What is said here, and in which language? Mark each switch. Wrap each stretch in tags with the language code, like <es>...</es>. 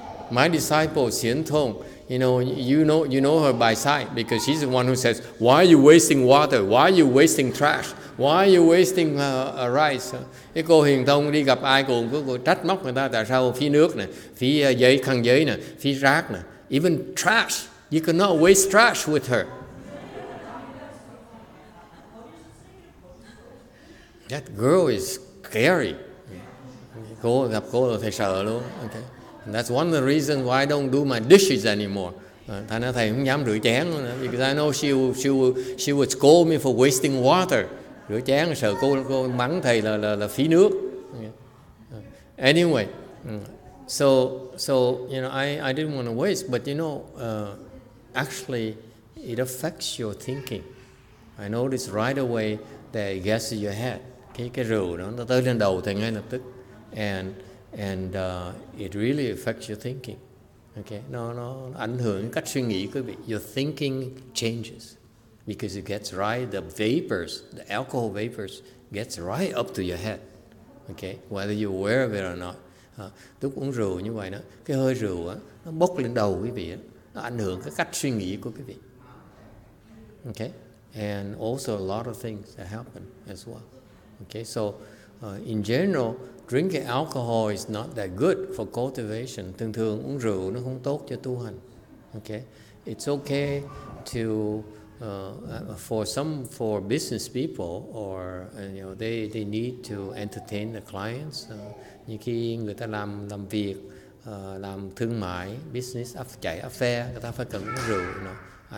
<en>My disciple, Xin Thong, you know her by sight because she's the one who says, "Why are you wasting water? Why are you wasting trash? Why are you wasting rice?"</en> <vi>Cái cô Hiền Thông đi gặp ai cũng có trách móc người ta, tại sao phí nước nè, phí giấy khăn giấy nè, phí rác nè,</vi> <en>even trash, you cannot waste trash with her. That girl is scary.</en> <vi>Cô gặp cô là thầy sợ luôn. Okay.</vi> <en>And that's one of the reasons why I don't do my dishes anymore.</en> <vi>Thầy nói thầy không dám rửa chén nữa,</vi> <en>because I know she would scold me for wasting water.</en> <vi>Rửa chén sợ cô mắng thầy là phí nước.</vi> <en>Anyway, so you know, I didn't want to waste, but you know, actually it affects your thinking. I noticed right away that it gets in your head.</en> <vi>Cái rượu đó nó tới lên đầu thầy ngay lập tức,</vi> <en>and it really affects your thinking.</en> <vi>Okay, nó ảnh hưởng cách suy nghĩ quý vị.</vi> <en>Your thinking changes because it gets right, the vapors, the alcohol vapors gets right up to your head. Okay, whether you're aware of it or not.</en> <vi>Lúc uống rượu như vậy đó, cái hơi rượu á, nó bốc lên đầu quý vị á, nó ảnh hưởng cái cách suy nghĩ của quý vị.</vi> <en>Okay, and also a lot of things that happen as well. Okay, so in general, drinking alcohol is not that good for cultivation.</en> <vi>Thường thường uống rượu nó không tốt cho tu hành.</vi> <en>Okay, it's okay to for business people or you know they need to entertain the clients.</en> <vi>Như khi người ta làm việc, làm thương mại, business chạy affair, người ta phải cần uống rượu.</vi> <en>You know?</en>